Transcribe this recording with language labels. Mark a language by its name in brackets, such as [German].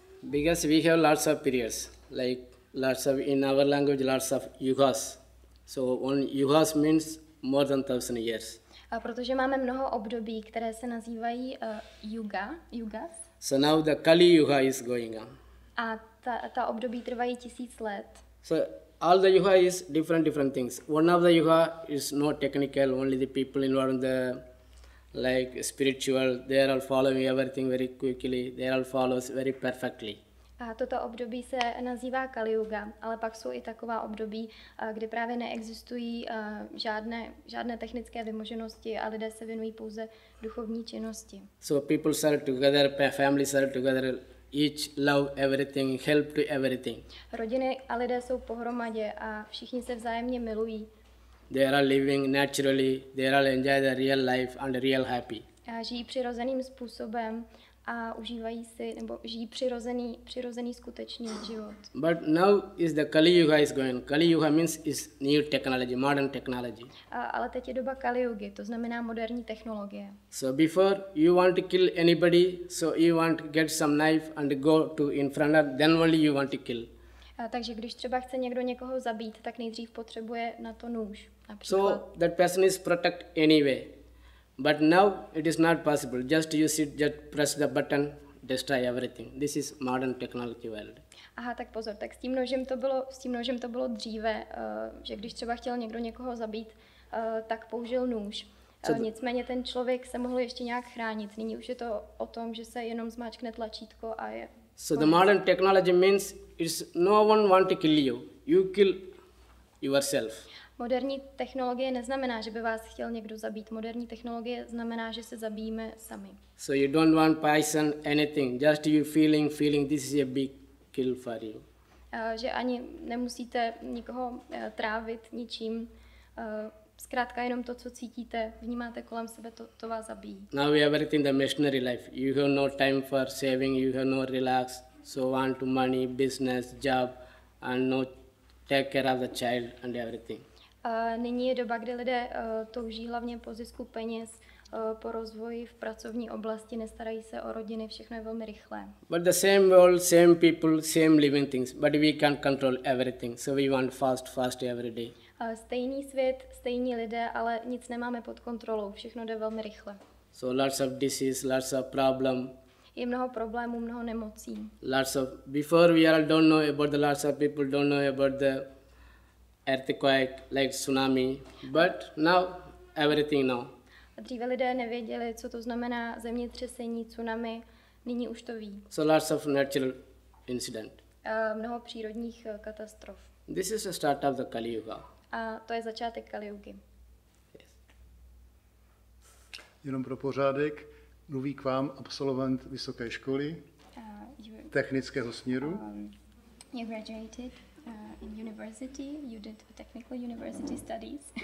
[English] Because we have lots of periods, like lots of, in our language, lots of yugas. So one yugas means more than 1,000 years. [Czech] Protože máme mnoho období, které se nazývají yugas. [English] So now the Kali Yuga is going on. [Czech] A ta období trvají tisíc let. [English] So all the yuga is different things. One of the yuga is no technical, only the people involved in the like spiritual, they are all following everything very quickly, they are all follows very perfectly. [Czech] A toto období se nazývá Kali Yuga, ale pak jsou i taková období, kde právě neexistují žádné technické vymoženosti a lidé se věnují pouze duchovní činnosti. [English] So people are together, families are together, each love everything, help to everything. [Czech] Rodiny a lidé jsou pohromadě a všichni se vzájemně milují. [English] They are living naturally, they are enjoy the real life and real happy. [Czech] A žijí přirozeným způsobem a užívají si nebo žijí přirozený skutečný život. [English] But now is the Kali Yuga is going. Kali Yuga means is new technology, modern technology. [Czech] Ale teď je doba Kali Yugi, to znamená moderní technologie. [English] So before you want to kill anybody, so you want to get some knife and go to in front of, then only you want to kill. [Czech] Takže když třeba chce někdo někoho zabít, tak nejdřív potřebuje na to nůž. Například. [English] So that person is protect anyway. But now it is not possible. Just you sit, just press the button, destroy everything. This is modern technology world. [Czech] Aha, tak pozor, tak s tím nožem to bylo dříve, že když třeba chtěl někdo někoho zabít, tak použil nůž. Nicméně ten člověk se mohl ještě nějak chránit. Nyní už je to o tom, že se jenom zmáčkne tlačítko a je. [English] So the modern technology means it's no one want to kill you. You kill yourself. [Czech] Moderní technologie neznamená, že by vás chtěl někdo zabít. Moderní technologie znamená, že se zabijeme sami. [English] So you don't want poison anything. Just you feeling this is a big kill for you. [Czech] Že ani nemusíte nikoho trávit ničím. Zkrátka jenom to, co cítíte, vnímáte kolem sebe, to vás zabíjí. [English] Now we are in the missionary life. You have no time for saving, you have no relax. So on to money, business, job and no take care of the child and everything. [Czech] Nyní je doba, kde lidé touží hlavně po zisku peněz, po rozvoji v pracovní oblasti, nestarají se o rodiny, všechno je velmi rychlé. [English] But the same world, same people, same living things, but we can't control everything. So we want fast every day. [Czech] Stejný svět, stejní lidé, ale nic nemáme pod kontrolou. Všechno jde velmi rychle. [English] So lots of disease, lots of problem. [Czech] Je mnoho problémů, mnoho nemocí. [English] Lots of before we all don't know about the lots of people don't know about the earthquake like tsunami, but now everything now. [Czech] Dříve lidé nevěděli, co to znamená zemětřesení, tsunami, nyní už to ví. [English] So lots of natural incident. [Czech] Mnoho přírodních katastrof. [English] This is the start of the Kali Yuga. [Czech] A to je začátek Kali Yugy. Jenom pro pořádek, mluví k vám absolvent vysoké školy technického směru. [English] You graduated in university, you did a technical university studies.